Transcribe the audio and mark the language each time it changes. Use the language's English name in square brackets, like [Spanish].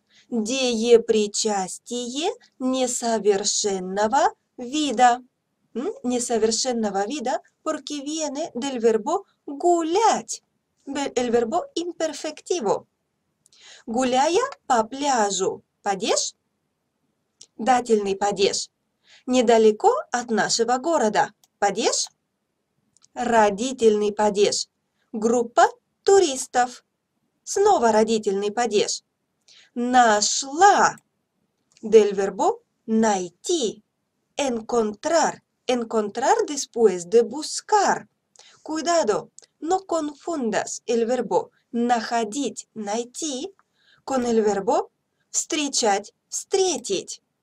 [Russian] Деепричастие несовершенного вида. Несовершенного вида [Spanish] porque viene del verbo гулять. El verbo imperfectivo. [Russian] Гуляя по пляжу. Падеж? Дательный падеж. Недалеко от нашего города. Падеж? Родительный падеж. Группа туристов. Снова родительный падеж. Нашла. [Spanish] Del verbo найти. Encontrar. Encontrar después de buscar. Cuidado, no confundas el verbo находить, найти, con el verbo встречать, встретить.